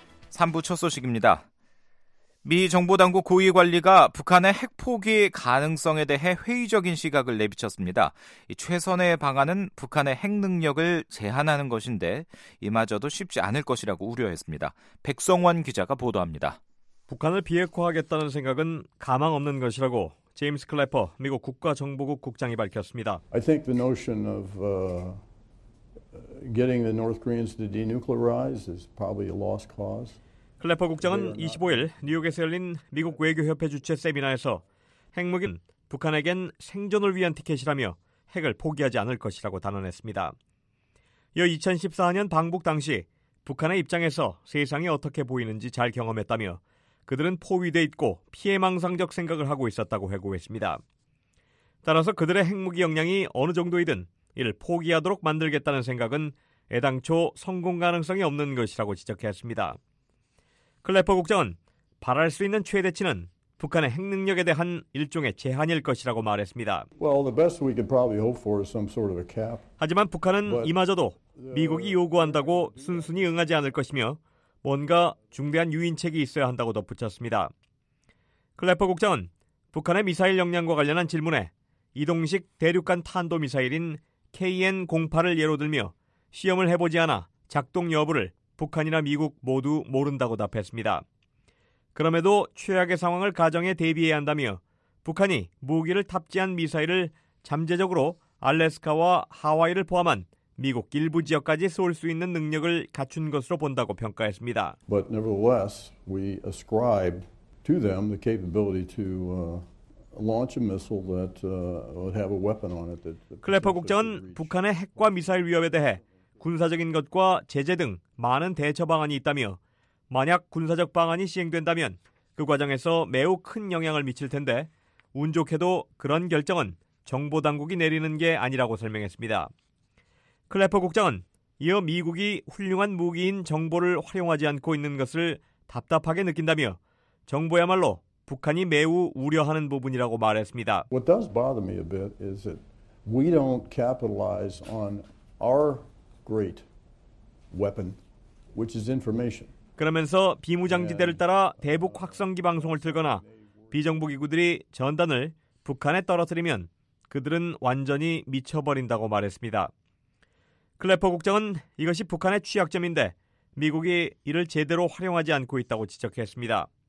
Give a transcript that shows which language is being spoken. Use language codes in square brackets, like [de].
[ko] 3부 첫 소식입니다. 미 정보당국 고위 관리가 북한의 핵포기 가능성에 대해 회의적인 시각을 내비쳤습니다. 이 최선의 방안은 북한의 핵 능력을 제한하는 것인데 이마저도 쉽지 않을 것이라고 우려했습니다. 백성원 기자가 보도합니다. 북한을 비핵화하겠다는 생각은 가망 없는 것이라고 제임스 클래퍼 미국 국가정보국 국장이 밝혔습니다. [en] I think the notion of getting the North Koreans to denuclearize is probably a lost cause. [ko] 클래퍼 국장은 25일 뉴욕에서 열린 미국 외교협회 주최 세미나에서 핵무기는 북한에겐 생존을 위한 티켓이라며 핵을 포기하지 않을 것이라고 단언했습니다. 이어 2014년 방북 당시 북한의 입장에서 세상이 어떻게 보이는지 잘 경험했다며 그들은 포위돼 있고 피해망상적 생각을 하고 있었다고 회고했습니다. 따라서 그들의 핵무기 역량이 어느 정도이든 이를 포기하도록 만들겠다는 생각은 애당초 성공 가능성이 없는 것이라고 지적했습니다. 클래퍼 국장은 바랄 수 있는 최대치는 북한의 핵 능력에 대한 일종의 제한일 것이라고 말했습니다. [en] Well, the best we could probably hope for is some sort of a cap. [ko] 하지만 북한은 이마저도 미국이 요구한다고 순순히 응하지 않을 것이며 뭔가 중대한 유인책이 있어야 한다고 덧붙였습니다. 클래퍼 국장은 북한의 미사일 역량과 관련한 질문에 이동식 대륙간 탄도미사일인 KN-08을 예로 들며 시험을 해보지 않아 작동 여부를 북한이나 미국 모두 모른다고 답했습니다. 그럼에도 최악의 상황을 가정해 대비해야 한다며 북한이 무기를 탑재한 미사일을 잠재적으로 알래스카와 하와이를 포함한 미국 일부 지역까지 쏠 수 있는 능력을 갖춘 것으로 본다고 평가했습니다. [en] But nevertheless, we ascribed to them the capability to launch a missile that would have a weapon on it. [ko] 클래퍼 국장은 북한의 핵과 미사일 위협에 대해 군사적인 것과 제재 등 많은 대처 방안이 있다며 만약 군사적 방안이 시행된다면 그 과정에서 매우 큰 영향을 미칠 텐데 운 좋게도 그런 결정은 정보 당국이 내리는 게 아니라고 설명했습니다. 클래퍼 국장은 이어 미국이 훌륭한 무기인 정보를 활용하지 않고 있는 것을 답답하게 느낀다며 정보야말로 북한이 매우 우려하는 부분이라고 말했습니다. [en] What does bother me a bit is that we don't capitalize on our great weapon, which is information. [ko] 그러면서 비무장지대를 따라 대북 확성기 방송을 틀거나 비정부기구들이 전단을 북한에 떨어뜨리면 그들은 완전히 미쳐버린다고 말했습니다. 클래퍼 국장은 이것이 북한의 취약점인데 미국이 이를 제대로 활용하지 않고 있다고 지적했습니다.